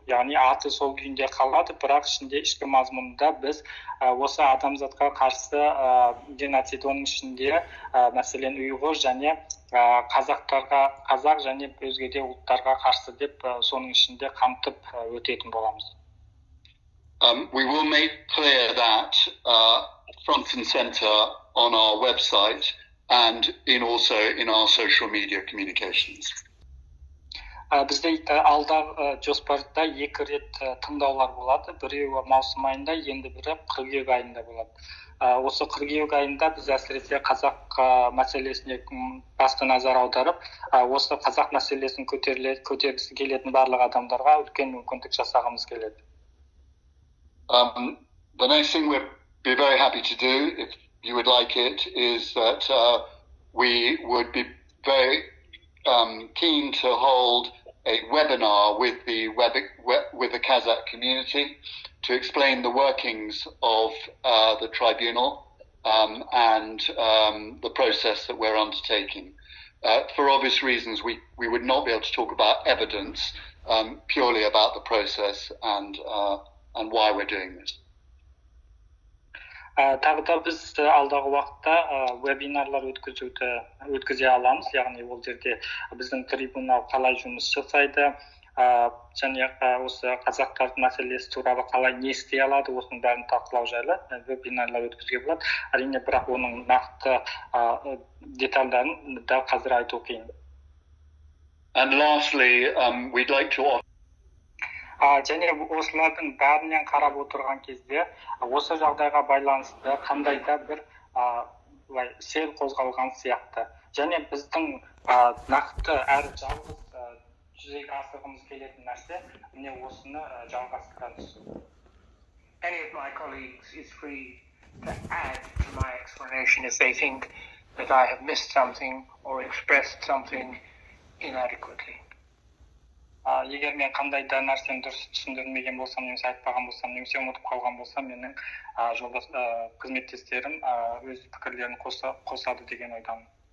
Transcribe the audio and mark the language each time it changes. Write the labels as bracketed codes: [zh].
[kk] Яғни аты сол күйінде қалады, бірақ ішінде ішкі мазмұнында біз осы адамзатқа қарсы геноцид, оның ішінде мәселен ұйғыр және қазақ және өзге де ұлттарға қарсы деп соның ішінде қамтып өтетін боламыз. [en] We will make clear that front and center on our website and in also in our social media communications. [kk] Бізде алда жоспарда екі рет тыңдаулар болады. Біреуі маусым айында, енді бірі қыркүйек айында болады. Осы қыркүйек айында біз әсіресе қазақ мәселесіне басты назар аударып, осы қазақ мәселесін көтергісі келетін барлық адамдарға үлкен мүмкіндік жасағымыз келеді. [en] The next thing we'd be very happy to do, if you would like it, is that we would be very keen to hold a webinar with the with the Kazakh community to explain the workings of the tribunal and the process that we're undertaking. For obvious reasons, we would not be able to talk about evidence, purely about the process and and why we're doing this. [kk] Тағы да біз алдағы уақытта вебинарлар өткізе аламыз, яғни ол жерде біздің трибунал қалай жұмыс жасайды, және осы қазақтардың мәселесі туралы қалай не істей алады, осының бәрін талқылау жайлы вебинарлар өткізуге болады. Әрине, бірақ оның нақты детальдарын дәл қазір айту қиын. [en] And lastly, we'd like to offer [kk] Және осылардың бәрінен қарап отырған кезде осы жағдайға байланысты қандай да бір сел қозғалған сияқты. Және біздің нақты әрі жалғыз жүзеге асырғымыз келетін нәрсе, міне осыны жалғастыра түсу. [en] Any of my colleagues is free to add to my explanation if they think that I have missed something or expressed something inadequately. [kk] Егер мен қандай да нәрсені дұрыс түсіндірмеген болсам, немесе айтпаған болсам, немесе ұмытып қалған болсам, менің жолдас қызметтестерім өз пікірлерін қосады деген ойдамын.